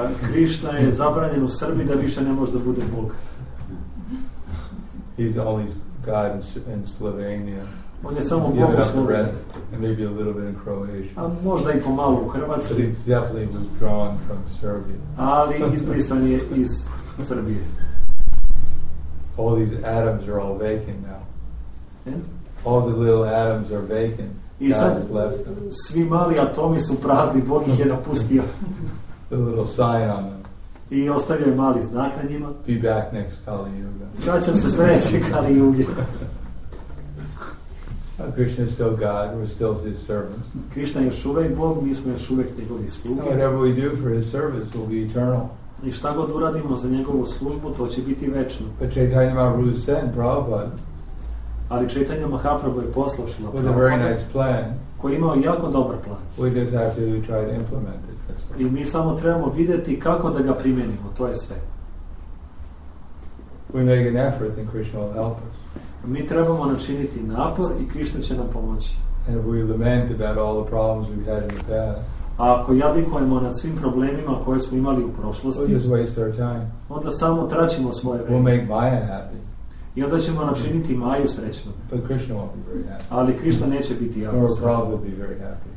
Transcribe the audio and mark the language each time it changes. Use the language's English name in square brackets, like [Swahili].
[Serbian] Krishna je zabranjen u Srbiji da više ne može da bude Bog. [English] He's only God in Slovenia. [Serbian] On je samo Bog u Sloveniji. [English] And maybe a little bit in Croatia. [Serbian] A možda i pomalo u Hrvatskoj. [English] But he's definitely withdrawn from Serbia. [Serbian] Ali izbrisan je iz Srbije. [English] All these atoms are all vacant now. And? All the little atoms are vacant. [Serbian] I sad svi mali atomi su prazni, Bog ih je napustio. [English] A little sign on them. [Serbian] I ostavio je mali znak na njima. [English] Be back next Kali Yuga. [Serbian] Vraćam se sljedeće Kali Yuge. [English] Krishna is still God, we're still his servants. [Serbian] Krishna je još uvek Bog, mi smo još uvek njegovi sluge. [English] Whatever we do for his service will be eternal. [Serbian] I šta god uradimo za njegovu službu, to će biti večno. [English] But Chaitanya Mahaprabhu sent Prabhupada. [Serbian] Ali Chaitanya Mahaprabhu je poslušao Prabhupada. [English] With a very nice plan. [Serbian] Koji imao jako dobar plan. [English] We just have to try to implement it. [Serbian] I mi samo trebamo videti kako da ga primenimo, to je sve. [English] We make an effort and Krishna will help us. [Serbian] Mi trebamo načiniti napor i Krishna će nam pomoći. [English] And we lament about all the problems we've had in the past. [Serbian] A ako jadikujemo nad svim problemima koje smo imali u prošlosti, [English] we'll waste our time. [Serbian] Onda samo tračimo svoje vreme. [English] We'll make Maya happy. [Serbian] I onda ćemo načiniti Maju srećnom. [English] But Krishna won't be very happy. [Serbian] Ali Krishna neće biti jako sretan. [English] Nor Prabhupada will be very happy.